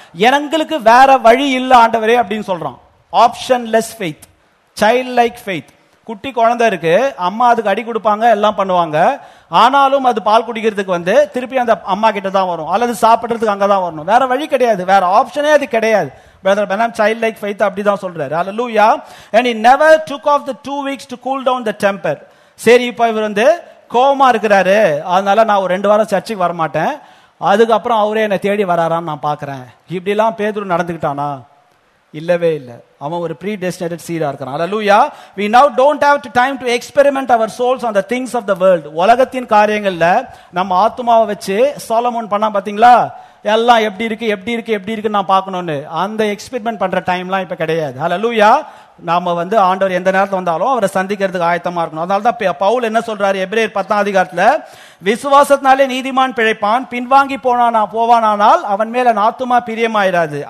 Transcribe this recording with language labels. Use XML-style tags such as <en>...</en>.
<ta>எங்களுக்கு வேற வழி இல்லை ஆண்டவரே அப்படின்னு சொல்றான்.</ta> <en>Optionless faith, child like faith.</en> <ta>குட்டி குழந்தை இருக்கு, அம்மா அதுக்கு அடி கொடுப்பாங்க, எல்லாம் பண்ணுவாங்க, ஆனாலும் அது பால் குடிக்கிறதுக்கு வந்து திருப்பி அந்த அம்மா கிட்ட தான் வரும், அல்லது சாப்பிடறதுக்கு அங்கே தான் வரணும். வேற வழி கிடையாது, வேற ஆப்ஷனே அது கிடையாது. Brother Benham, childlike faith, அப்படி தான் சொல்றாரு. Hallelujah.</ta> <en>And he never took off the 2 weeks to cool down the temper.</en> <ta>சரி, இப்ப இவர் வந்து கோபமா இருக்கிறாரு, அதனால நான் ஒரு 2 வாரம் சர்ச்சைக்கு வரமாட்டேன், அதுக்கப்புறம் அவரே என்னை தேடி வராரான்னு நான் பாக்குறேன். இப்படி எல்லாம் பேதுரு நடந்துகிட்டானா? இல்லவே இல்லை. அவன் ஒரு ப்ரீ டெஸ்டினேட் சீடா இருக்கிறான். Hallelujah.</ta> <en>We now don't have time to experiment our souls on the things of the world.</en> <ta>உலகத்தின் காரியங்கள்ல நம்ம ஆத்மாவை வச்சு சோலமோன் பண்ணா பாத்தீங்களா, எல்லாம் எப்படி இருக்கு எப்படி இருக்கு எப்படி இருக்குன்னு நான் பார்க்கணும்னு அந்த எக்ஸ்பெரிமெண்ட் பண்ற டைம்லாம் இப்ப கிடையாது. ஹல்லேலூயா. நாம வந்து ஆண்டவர் எந்த நேரத்தில் வந்தாலும் அவரை சந்திக்கிறதுக்கு ஆயத்தமா இருக்கணும். அதனாலதான் பவுல் என்ன சொல்றாரு எபிரேயர் 10 அதிகாரத்துல, விசுவாசத்தினாலே நீதிமான் பிழைப்பான், பின்வாங்கி போவானானால் அவன் மேல ஆத்துமா பிரியமாயிராது.</ta>